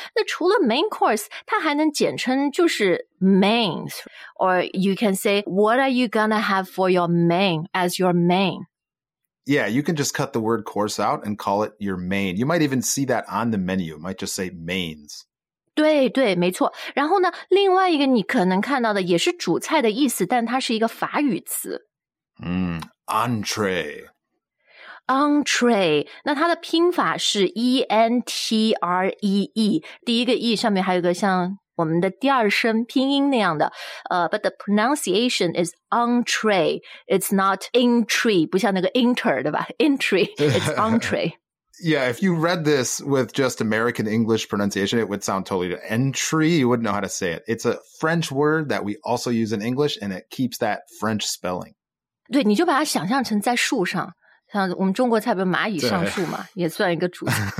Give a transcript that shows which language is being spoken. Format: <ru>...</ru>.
<zh>那除了 main course, 它还能简称就是 mains.</zh> <en>Or you can say, what are you gonna have for your main as your main? Yeah, you can just cut the word course out and call it your main. You might even see that on the menu. It might just say mains.</en> <zh>对对，没错。然后呢，另外一个你可能看到的也是主菜的意思，但它是一个法语词。</zh> <en>Entree. Entree.</en> <zh>那它的拼法是 E-N-T-R-E-E. 第一个 E 上面还有个像我们的第二声拼音那样的。</zh> <en>But the pronunciation is entree. It's not intree,</en> <zh>不像那个</zh> <en>inter,</en> <zh>对吧</zh> <en>?intree, it's entree. Yeah, if you read this with just American English pronunciation, it would sound totally entry. You wouldn't know how to say it. It's a French word that we also use in English, and it keeps that French spelling.</en> <zh>对，你就把它想象成在树上，像我们中国菜不是蚂蚁上树嘛，也算一个主菜。</zh>